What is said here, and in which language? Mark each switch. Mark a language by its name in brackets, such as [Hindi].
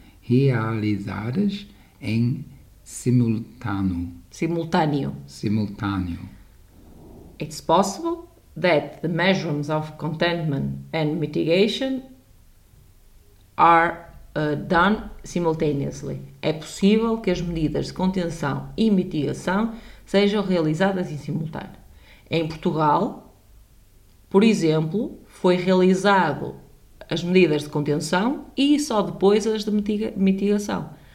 [Portuguese] realizadas em simultâneo. Simultâneo. Simultâneo. [English] It's possible that the measures of containment and mitigation are done simultaneously. [Portuguese] É possível que as medidas de contenção e mitigação sejam realizadas em simultâneo. Em Portugal, por exemplo, foi realizado as medidas de contenção e só depois as de mitigação.